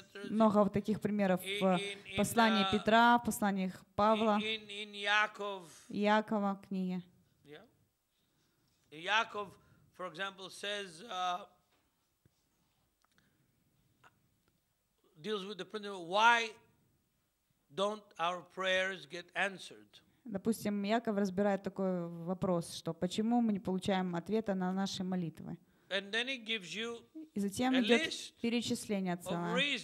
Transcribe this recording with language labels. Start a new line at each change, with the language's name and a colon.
Russian: Много таких примеров в послании Петра, в посланиях Павла, Иакова, книге.
English: Иаков, for example, says, deals with the principle, why don't our prayers get answered?
Russian: Допустим, Яков разбирает такой вопрос, что почему мы не получаем ответа на наши молитвы. И затем идет перечисление целое.